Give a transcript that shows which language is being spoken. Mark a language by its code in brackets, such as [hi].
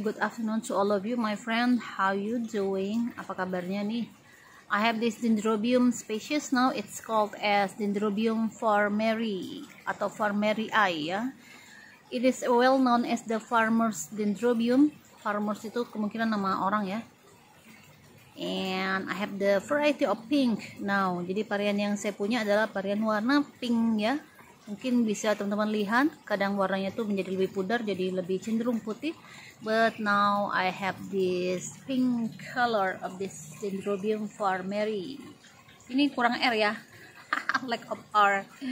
[en] Good afternoon to all of you, my friend. How you doing? [id] Apa kabarnya nih? [en] I have this dendrobium species now. It's called as dendrobium farmeri atau farmerii, ya. It is well known as the farmer's dendrobium. [id] Farmers itu kemungkinan nama orang, ya. [en] And I have the variety of pink now. [id] Jadi varian yang saya punya adalah varian warna pink, ya. Mungkin bisa teman-teman lihat, kadang warnanya tuh menjadi lebih pudar, jadi lebih cenderung putih. [en] But now I have this pink color of this dendrobium farmeri. [id] Ini kurang R, ya. [en] Lack of R.